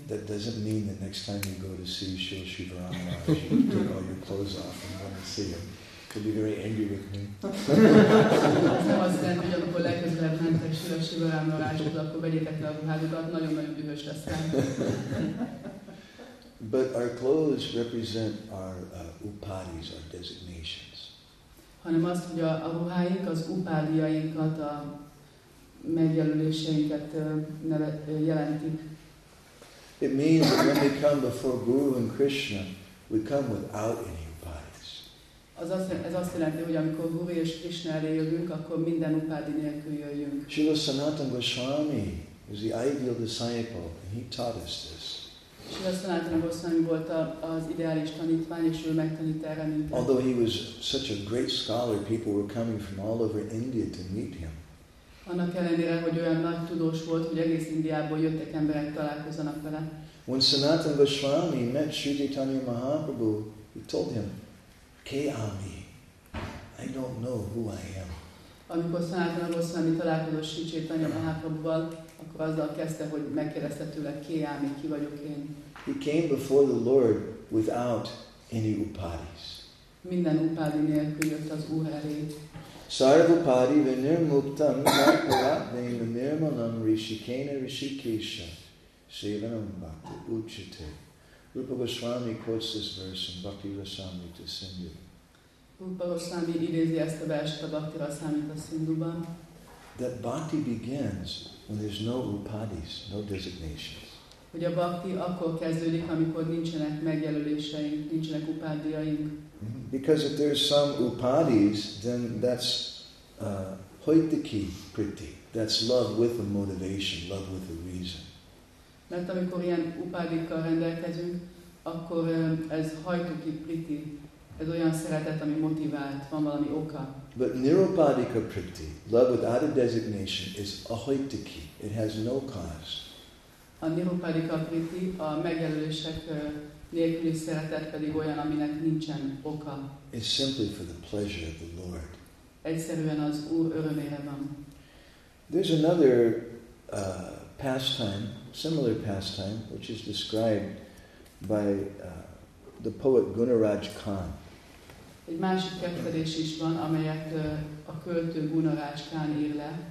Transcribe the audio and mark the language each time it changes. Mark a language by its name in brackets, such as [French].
[English] That doesn't mean that next time you go to see Shri Shiva Ramaraj, you took all your clothes off and want to see him. He'll be very angry with me. [Hungarian] Nem azt jelenti, hogy amikor legközelebb mentek Shri Shiva Ramarajhoz, akkor vegyétek le a ruhádokat, nagyon-nagyon dühös lesz rám. [English] But our clothes represent our upadis, our designations. [Hungarian] Hanem azt, hogy a ruháink, az upádiainkat, a megjelöléseinket jelentik. [English] It means that when we come before Guru and Krishna, we come without any upadis. [Hungarian] Ez azt jelenti, hogy amikor Guru és Krishna elé jövünk, akkor minden upádi nélkül jöjjünk. [English] Srila Sanatana Goswami is the ideal disciple, and he taught us this. [Hungarian] Srila Sanatana Goswami volt az ideális tanítvány, és ő megtanít erre minket. [English] Although he was such a great scholar, people were coming from all over India to meet him. [Hungarian] Annak ellenére, hogy olyan nagy tudós volt, hogy egész Indiából jöttek emberek találkozanak vele. [English] When Sanatana Goswami met Sri Chaitanya Mahaprabhu, he told him, "Kami, I don't know who I am." [Hungarian] Amikor Sanatana Goswami találkozott Sri Chaitanya Mahaprabhuval, akkor azzal kezdte, hogy megkérdezte tőle, "Kami, ki vagyok én?" [English] He came before the Lord without any upadis. [Hungarian] Minden upadi nélkül jött az Úr elé. [Sanskrit] Sarvapadi vinirmuktam nakaratvena nirmalam rishikena rishikesha sevanam bhakti uchite. [English] Rupa Goswami quotes this verse in Bhakti Rasamrita Sindhu. [Hungarian] Rupa Goswami idézi ezt a verset a Bhakti Rasamrita Sindhuban. [English] That bhakti begins when there's no upadis, no designations. [Hungarian] Hogy a bhakti akkor kezdődik, amikor nincsenek megjelöléseink, nincsenek upádiaink. [English] Because if there's some upadis, then that's hoitiki priti. That's love with a motivation, love with a reason. [Hungarian] Mert amikor ilyen upadikkal rendelkezünk, akkor ez hoitiki priti. Ez olyan szeretet, ami motivált, van valami oka. [English] But nirupadika priti, love without a designation, is ahoitiki. It has no cause. [Hungarian] A nirupadika priti, a megjelölések nélküli szeretet pedig olyan, aminek nincsen oka. [English] It's simply for the pleasure of the Lord. [Hungarian] Egyszerűen az Úr örömére van. [English] There's another pastime, similar pastime, which is described by the poet Gunaraj Khan. [Hungarian] Egy másik kettedés is van, amelyet a költő Gunaraj Khan ír le.